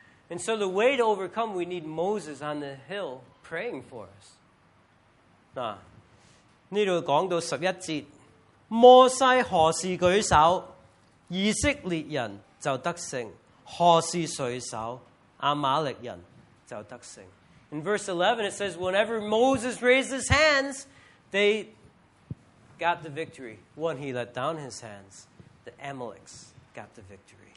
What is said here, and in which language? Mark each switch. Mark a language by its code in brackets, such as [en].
[en] And so the way to overcome, we need Moses on the hill praying for us. [zh] 这里讲到十一节，摩西何时举手，以色列人就得胜；何时垂手，亚玛力人就得胜。In [en] verse 11, it says, whenever Moses raised his hands, they got the victory. When he let down his hands, the Amalekites got the victory.